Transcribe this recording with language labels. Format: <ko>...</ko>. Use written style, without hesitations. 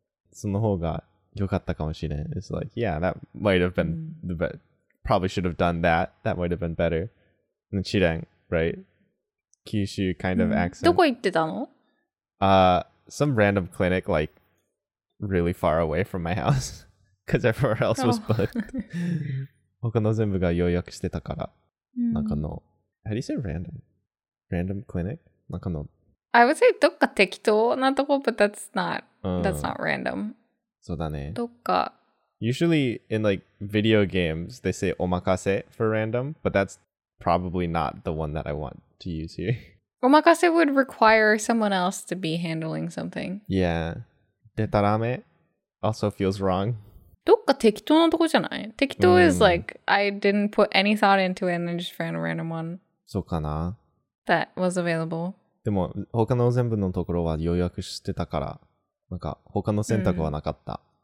<ja>その方が良かったかもしれない。</ja> <en>It's like, yeah, that might have been the best. Probably should have done that. That might have been better. And Chiren, right? Kyushu kind of accent.</en> <ja>どこ行ってたの?</ja> <en>Some random clinic, like, really far away from my house. Because everywhere else was booked.</en> <ja>他の全部が予約してたから。なんかの。</ja> <en>How do you say random? Random clinic? I would say</en> <ja>どっか適当なとこ,</ja> <en>but that's not random.</en> <ja>そうだね。どっか。</ja> <en>Usually in like video games, they say omakase for random, but that's probably not the one that I want to use here. Omakase would require someone else to be handling something. Yeah. Detarame also feels wrong.</en> <ja>どっか適当なとこじゃない?</ja> <en>適当 is like, I didn't put any thought into it and I just found a random one.</en> <ja>そうかな?</ja> <en>That was available.</en> <ja>でも、他の全部のところは予約してたから、なんか他の選択はなかった。</ja>